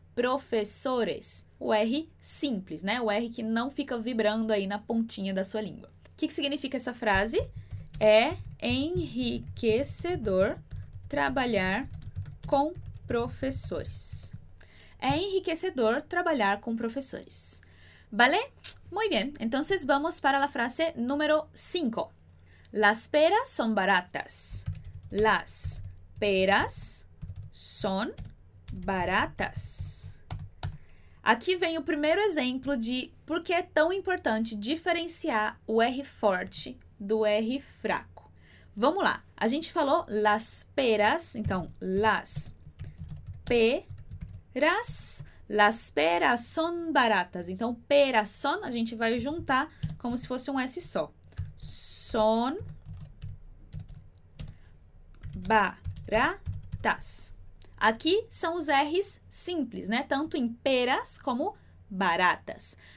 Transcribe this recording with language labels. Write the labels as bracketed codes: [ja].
[pt] Professores, o R simples, né? O R que não fica vibrando aí na pontinha da sua língua. O que que significa essa frase? É enriquecedor trabalhar com professores. É enriquecedor trabalhar com professores. [es] ¿Vale? Muy bien. Entonces vamos para la frase número 5. Las peras son baratas. Las peras son baratas. [pt] Aqui vem o primeiro exemplo de por que é tão importante diferenciar o R forte do R fraco. Vamos lá. A gente falou [es] las peras, então las peras, las peras son baratas. [pt] Então, [es] peras son, [pt] a gente vai juntar como se fosse um S só. [es] Son baratas. [pt] Aqui são os R's simples, né? Tanto em peras como baratas.